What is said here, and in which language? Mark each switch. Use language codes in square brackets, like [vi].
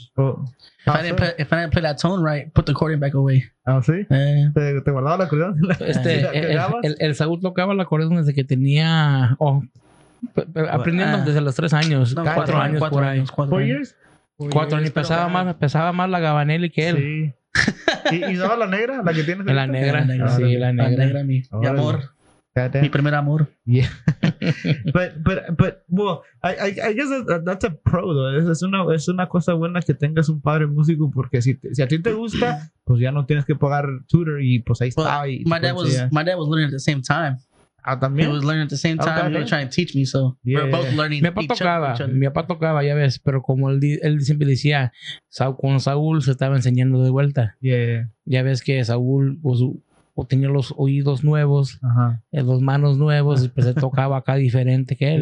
[en] If I didn't play that tone right, put the accordion back away. [es] Ah, ¿sí? ¿Te guardaba el acordeón? El Saúl tocaba el acordeón desde que tenía... aprendiendo desde los 3 años. No, 4 años. ¿4 años? Pesaba más la gabanelli que él. Sí. ¿Y daba la negra? ¿La que tienes? La negra, la negra. Mi amor. Fíjate. Mi primer amor. [en] Yeah. I guess that's a pro, though. [es] Es una cosa buena que tengas un padre músico, porque si a ti te gusta, pues ya no tienes que pagar tutor y pues ahí está. Y [en] my dad was learning at the same time. [es] Ah, también. [en] He was learning at the same time. He was trying to teach me, so yeah, we're both learning. [es] Mi papá tocaba, ya ves, pero como él siempre decía, con Saúl se estaba enseñando de vuelta. [en] Yeah. [es] Ya ves que Saúl tenía los oídos nuevos, uh-huh, las manos nuevas, y pues se tocaba acá diferente que él.